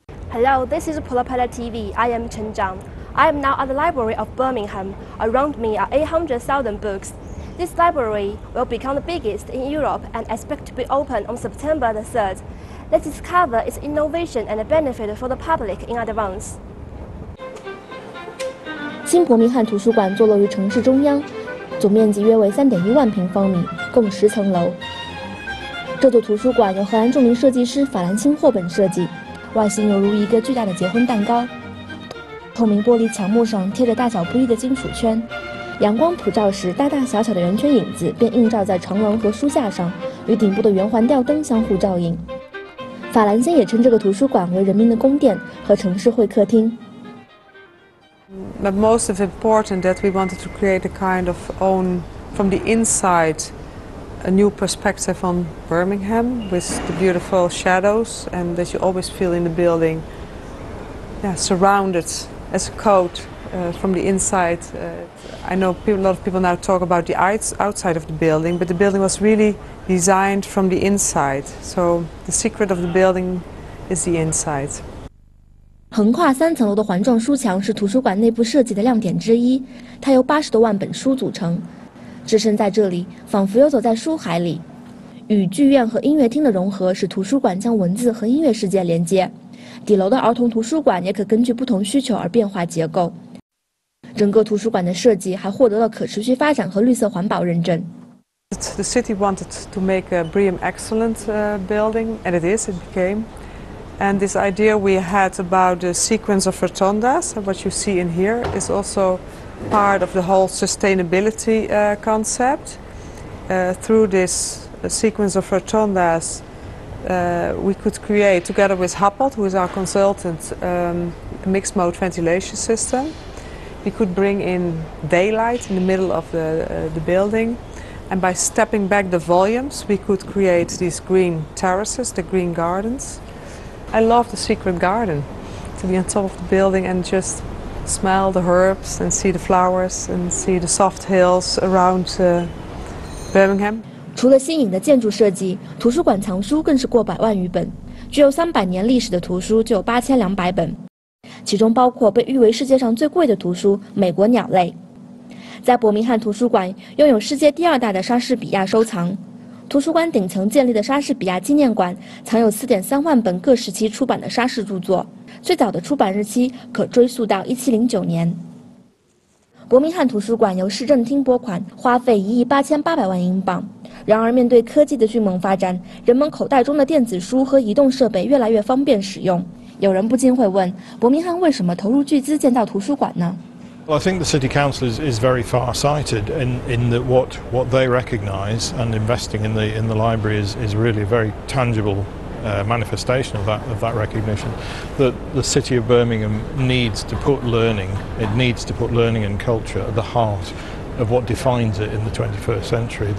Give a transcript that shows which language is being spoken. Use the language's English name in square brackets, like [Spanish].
[English] Hello, this is Propeller TV. I am Chen Zhang. I am now at the Library of Birmingham. Around me are 800,000 books. This library will become the biggest in Europe and expect to be open on September the 3rd. Let's discover its innovation and benefit for the public in advance. [Chinese] 新伯明翰图书馆坐落于城市中央，总面积约为3.1万平方米，共10层楼。这座图书馆由荷兰著名设计师法兰钦霍本设计。外形犹如一个巨大的结婚蛋糕，透明玻璃墙幕上贴着大小不一的金属圈，阳光普照时，大大小小的圆圈影子便映照在床笼和书架上，与顶部的圆环吊灯相互照应。法兰先也称这个图书馆为人民的宫殿和城市会客厅。 [English] But most of important that we wanted to create a kind of own from the inside. A new perspective on Birmingham with the beautiful shadows, and that you always feel in the building, yeah, surrounded as a coat from the inside. I know a lot of people now talk about the outside of the building, but the building was really designed from the inside. So the secret of the building is the inside. [Chinese] 横跨三层楼的环状书墙是图书馆内部设计的亮点之一，它由80多万本书组成。置身在这里，仿佛游走在书海里。与剧院和音乐厅的融合，使图书馆将文字和音乐世界连接。底楼的儿童图书馆也可根据不同需求而变化结构。整个图书馆的设计还获得了可持续发展和绿色环保认证。 [English] The city wanted to make a BREEAM excellent building, and it is. It became. And this idea we had about the sequence of rotundas, what you see in here, is also. Part of the whole sustainability concept. Through this sequence of rotundas, we could create, together with Happelt, who is our consultant, a mixed mode ventilation system. We could bring in daylight in the middle of the building, and by stepping back the volumes, we could create these green terraces, the green gardens. I love the secret garden. to be on top of the building and just smell the herbs and see the flowers and see the soft hills around Birmingham. [Chinese] 除了新颖的建筑设计，图书馆藏书更是过百万余本，具有300年历史的图书就有8200本，其中包括被誉为世界上最贵的图书《美国鸟类》。在伯明翰图书馆拥有世界第二大的莎士比亚收藏，图书馆顶层建立的莎士比亚纪念馆藏有 4.3 万本各时期出版的莎士著作，最早的出版日期可追溯到1709年。伯明翰图书馆由市政厅拨款，花费1亿8800万英镑。然而面对科技的迅猛发展，人们口袋中的电子书和移动设备越来越方便使用，有人不禁会问，伯明翰为什么投入巨资建造图书馆呢？ [English] Well, I think the city council is very far-sighted in that what they recognise and investing in the library is really a very tangible manifestation of that recognition. That the city of Birmingham needs to put learning and culture at the heart of what defines it in the 21st century.